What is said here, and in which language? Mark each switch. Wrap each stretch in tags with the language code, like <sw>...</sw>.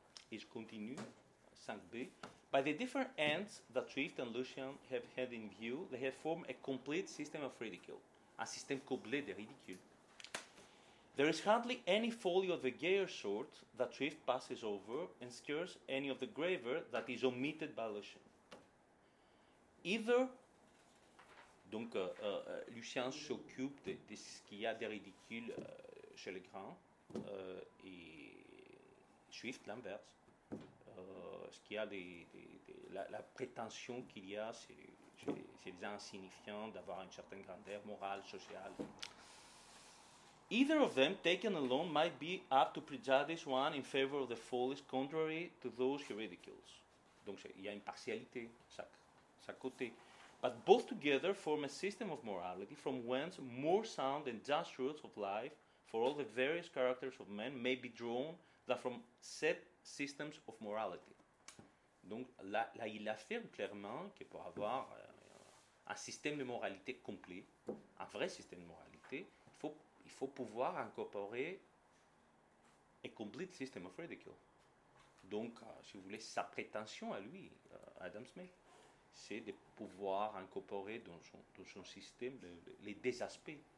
<en>Is continued, 5b. By the different ends that Swift and Lucian have had in view, they have formed a complete system of ridicule, a system</en> <fr>complet de ridicule.</fr> <en>There is hardly any folly of the gayer sort that Swift passes over, and scarce any of the graver that is omitted by Lucian. Either</en> <fr>Donc, Lucien s'occupe de ce qu'il y a de ridicule chez les grands et Swift l'inverse. Ce qu'il y a la prétention qu'il y a, c'est déjà insignifiant d'avoir une certaine grandeur morale, sociale.</fr> <en>Either of them taken alone might be apt to prejudice one in favor of the foolish, contrary to those he ridicules.</en> <fr>Donc il y a une partialité à côté.</fr> <en>But both together form a system of morality from whence more sound and just truths of life for all the various characters of men may be drawn than from set systems of morality.</en> <fr>Donc là, il affirme clairement que pour avoir un système de moralité complet, un vrai système de moralité, il faut pouvoir incorporer</fr> <en>a complete system of ridicule.</en> <fr>Donc, si vous voulez, sa prétention à lui, Adam Smith, c'est de pouvoir incorporer dans son système les deux aspects.</fr>